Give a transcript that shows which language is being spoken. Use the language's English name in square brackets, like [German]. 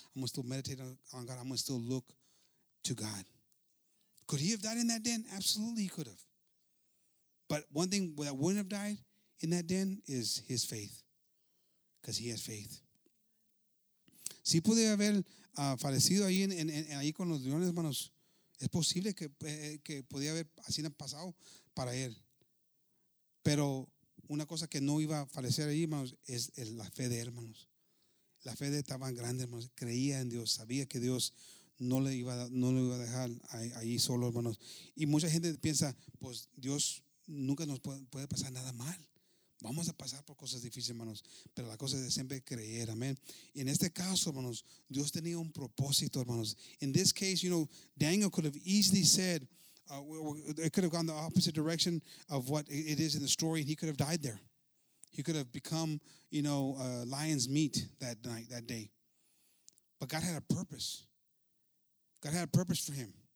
[English] I'm going to still meditate on God. I'm going to still look to God. Could he have died in that den? Absolutely, he could have. But one thing that wouldn't have died in that den is his faith. Because he has faith. [Spanish] sí pude haber fallecido ahí en ahí con los leones, hermanos. Es posible que podía haber así pasado para él. Pero una cosa que no iba a fallecer ahí, hermanos, es la fe de él, hermanos. La fe de él estaba grande, hermanos. Creía en Dios, sabía que Dios no lo iba a dejar ahí solo, hermanos. Y mucha gente piensa, pues Dios nunca nos puede pasar nada mal. Vamos a pasar por cosas difíciles, hermanos. Pero la cosa es de siempre creer, amén. Y en este caso, hermanos, Dios tenía un propósito, hermanos. [English] In this case, you know, Daniel could have easily said, it could have gone the opposite direction of what it is in the story, and he could have died there. He could have become, you know, lion's meat that night, that day. But God had a purpose. God had a purpose for him.